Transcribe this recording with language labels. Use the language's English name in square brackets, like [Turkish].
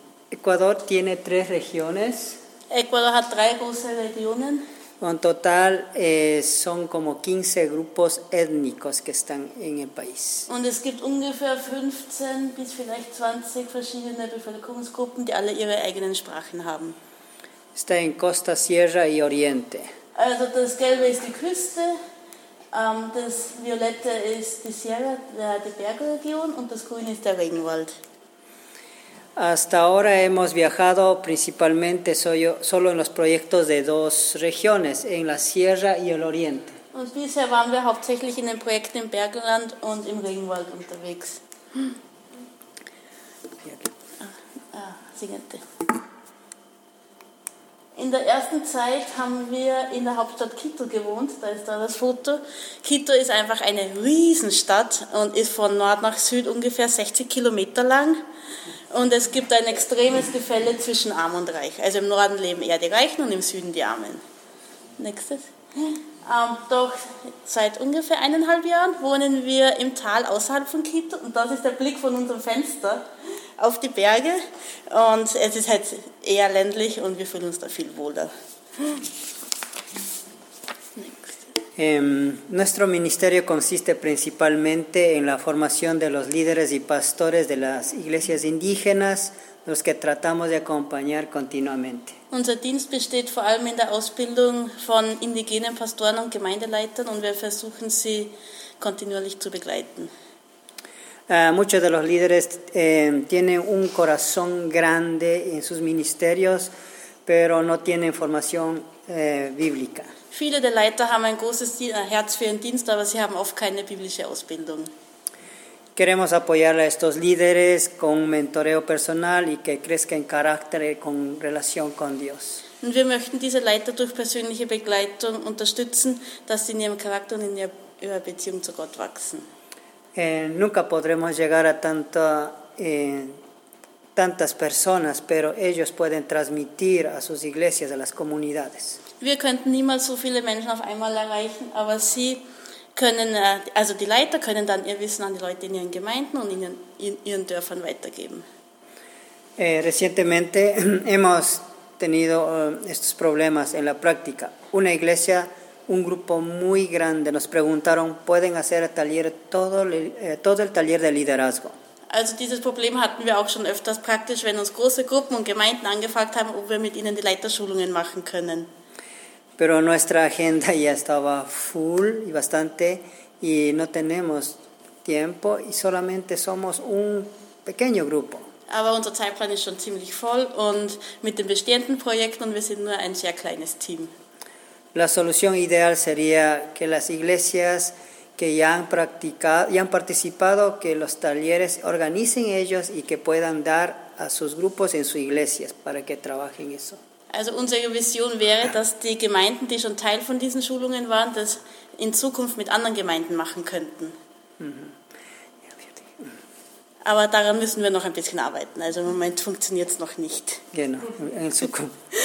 [Spanish] Ecuador tiene 3 regiones. [German] Ecuador hat 3 große Regionen. [Spanish] En total son como 15 grupos étnicos que están en el país. [German] Und es gibt ungefähr 15 bis vielleicht 20 verschiedene Bevölkerungsgruppen, die alle ihre eigenen Sprachen haben. [Spanish] Está en Costa, Sierra y Oriente. [German] Also das Gelbe ist die Küste, das Violette ist die Sierra, die Bergregion, und das Grüne ist der Regenwald. [Spanish] Hasta ahora hemos viajado principalmente solo en los proyectos de 2 regiones, en la Sierra y el Oriente. [German] Und bisher waren wir hauptsächlich in den Projekten im Bergland und im Regenwald unterwegs. [Spanish] Siguiente. [German] In der ersten Zeit haben wir in der Hauptstadt Quito gewohnt, da ist da das Foto. Quito ist einfach eine Riesenstadt und ist von Nord nach Süd ungefähr 60 Kilometer lang. Und es gibt ein extremes Gefälle zwischen Arm und Reich. Also im Norden leben eher die Reichen und im Süden die Armen. Nächstes. Doch seit ungefähr 1,5 Jahren wohnen wir im Tal außerhalb von Quito. Und das ist der Blick von unserem Fenster auf die Berge. Und es ist halt eher ländlich und wir fühlen uns da viel wohler. [Spanish] Nuestro ministerio consiste principalmente en la formación de los líderes y pastores de las iglesias indígenas, los que tratamos de acompañar continuamente. [German] Unser Dienst besteht vor allem in der Ausbildung von indigenen Pastoren und Gemeindeleitern und wir versuchen sie kontinuierlich zu begleiten. [Spanish] Muchos de los líderes tienen un corazón grande en sus ministerios, pero no tienen formación bíblica. [German] Viele der Leiter haben ein großes Herz für ihren Dienst, aber sie haben oft keine biblische Ausbildung. [Spanish] Queremos apoyar a estos líderes con mentoreo personal y que crezcan en carácter con relación con Dios. [German] Und wir möchten diese Leiter durch persönliche Begleitung unterstützen, dass sie in ihrem Charakter und in ihrer Beziehung zu Gott wachsen. [Spanish] Nunca podremos llegar a tantas personas, pero ellos pueden transmitir a sus iglesias, a las comunidades. [German] Wir könnten niemals so viele Menschen auf einmal erreichen, aber sie können, also die Leiter können dann ihr Wissen an die Leute in ihren Gemeinden und in ihren Dörfern weitergeben. [Spanish] Recientemente hemos tenido estos problemas en la práctica. Una iglesia, un grupo muy grande, nos preguntaron, ¿pueden hacer el taller todo el taller de liderazgo? [German] Also dieses Problem hatten wir auch schon öfters praktisch, wenn uns große Gruppen und Gemeinden angefragt haben, ob wir mit ihnen die Leiterschulungen machen können. [Spanish] Pero nuestra agenda ya estaba full y bastante y no tenemos tiempo y solamente somos un pequeño grupo. [German] Aber unser Zeitplan ist schon ziemlich voll und mit den bestehenden Projekten und wir sind nur ein sehr kleines Team. [Spanish] La solución ideal sería que las iglesias que ya han practicado y han participado que los talleres organicen ellos y que puedan dar a sus grupos en sus iglesias para que trabajen eso. [German] Also unsere Vision wäre, dass die Gemeinden, die schon Teil von diesen Schulungen waren, das in Zukunft mit anderen Gemeinden machen könnten. Aber daran müssen wir noch ein bisschen arbeiten. Also im Moment funktioniert es noch nicht. Genau, in Zukunft.